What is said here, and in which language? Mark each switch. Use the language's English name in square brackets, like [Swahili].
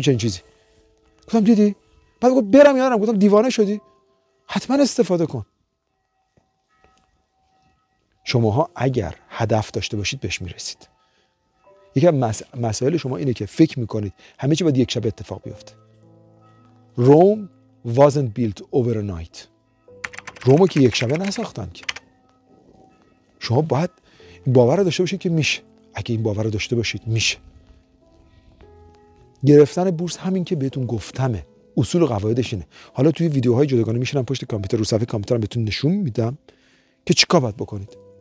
[Persian] چنین چیزی گفتم دیدی؟ بعد گفت برم یارم، گفتم دیوانه شدی؟ حتما استفاده کن. شماها اگر هدف داشته باشید بهش میرسید. یکی از مسائل شما اینه که فکر میکنید همه چی باید یک شب اتفاق بیفته. [English] Rome wasn't built overnight. [Persian] رومو که یک شبه نساختن که. شما باید باور داشته باشید که میشه. اگه این باور داشته باشید میشه. گرفتن بورس همین که بهتون گفتمه، اصول و قواعدش اینه. حالا توی ویدیوهای جداگانه میشینم پشت کامپیوتر رو صفحه کامپیوترم بهتون نشون میدم که چیکار باید بکنید.